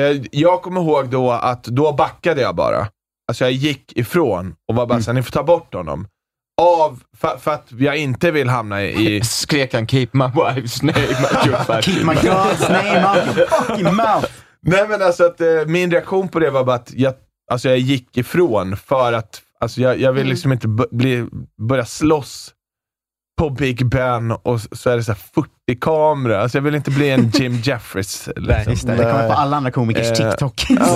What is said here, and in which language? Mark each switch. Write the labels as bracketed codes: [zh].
[sv] Jag kommer ihåg då att då backade jag bara. Alltså jag gick ifrån och var bara såhär, ni får ta bort honom. För att jag inte vill hamna i... Skrek han, [en] keep my wife's name out your fucking keep my god's name out your fucking mouth. [sv] Nej, men alltså att min reaktion på det var bara att jag gick ifrån för att alltså, jag vill liksom inte börja slåss på Big Ben och så är det så här 40 kameror. Alltså jag vill inte bli en Jim Jeffries. Liksom. Nej, just det. Det kommer på alla andra komikers TikTok.